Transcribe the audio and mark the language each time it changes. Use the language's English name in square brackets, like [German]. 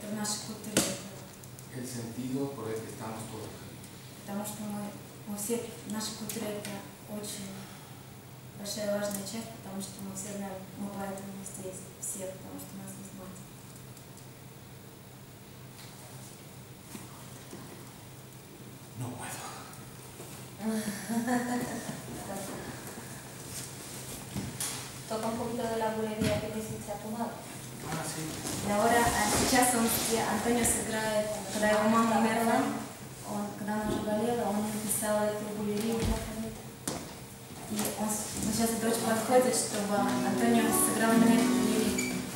[Spanish] El sentido por el que estamos todos aquí. [Russian] Потому что мы, мы все, наша культура это очень большая важная часть, потому что мы все знаем, мы поэтому здесь все, потому что у нас есть мать. [Spanish] No puedo. Toca un poquito de la bulería que me hiciste a tu madre. Ah, sí. Y ahora, [Russian] сейчас он, Антонио сыграет, когда его мама умерла, он, когда она уже болела, он написал эту булерию. И он, сейчас дочь подходит, чтобы Антонио сыграл на эту булерию.